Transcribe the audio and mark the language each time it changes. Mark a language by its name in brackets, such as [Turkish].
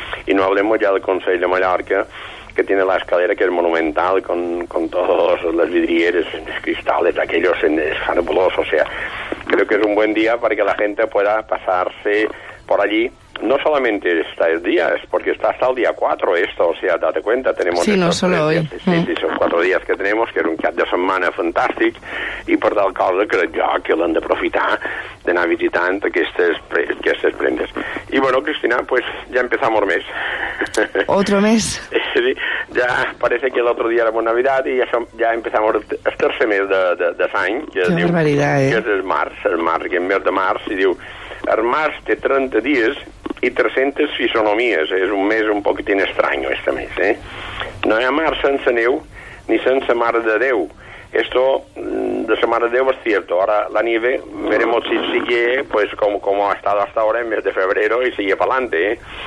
[Spanish] Y no hablemos ya del Consell de Mallorca, que tiene la escalera que es monumental, con todas las vidrieras, los cristales, aquellos, es fabuloso. O sea, creo que es un buen día para que la gente pueda pasarse por allí. No solamente está el día, es porque está hasta el día 4 esto, o sea, date cuenta, tenemos... Sí, no solo hoy. Sí, son 4 días que tenemos, que es un [Catalan] cap de setmana fantàstic, i per tal cosa crec jo que l'hem d'aprofitar d'anar visitant aquestes prendes. [Spanish] I bueno, Cristina, pues ya empezamos mes. ¿Otro mes? Sí, ya parece que el otro día era Navidad y ya empezamos el tercer mes [Catalan] de l'any. [Spanish] Qué barbaridad, [Catalan] Que és el març, que és el mes de març, i diu... El març té 30 dies i 300 fisonomies. És un mes [Spanish] un poquitín [Catalan] estrany, aquest mes, eh? No hi ha març sense neu ni sense Mare de Déu. [Spanish] Esto de la Mare de Déu [Catalan] és cert. [Spanish] Ara la nieve, veremos si sigue pues, [Catalan] com ha estat [Spanish] hasta ahora en mes de febrero i sigue pa'lante, eh?